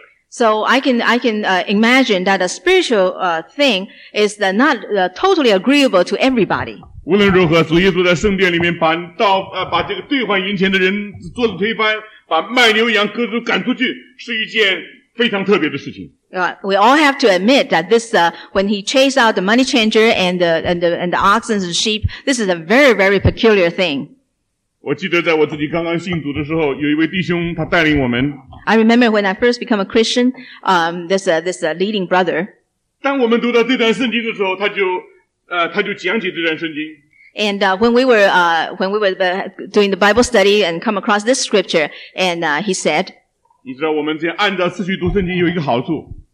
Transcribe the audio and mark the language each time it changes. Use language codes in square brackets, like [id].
[en] So I can imagine that a spiritual thing is not totally agreeable to everybody. [zh] 无论如何, 主耶稣在圣殿里面把, 把这个兑换银钱的人桌子推翻, 把卖牛羊鸽子赶出去, 是一件非常特别的事情。 [en] We all have to admit that this, when he chased out the money changer and the oxen and sheep, this is a very, very peculiar thing. [zh] 我记得在我自己刚刚信主的时候, 有一位弟兄, 他带领我们, [en] I remember when I first became a Christian, this leading brother. [zh] 当我们读到这段圣经的时候, 他就, 他就讲解这段圣经。 [en] And when we were doing the Bible study and come across this scripture, and he said, [zh] 你知道我们这样按照次序读圣经有一个好处。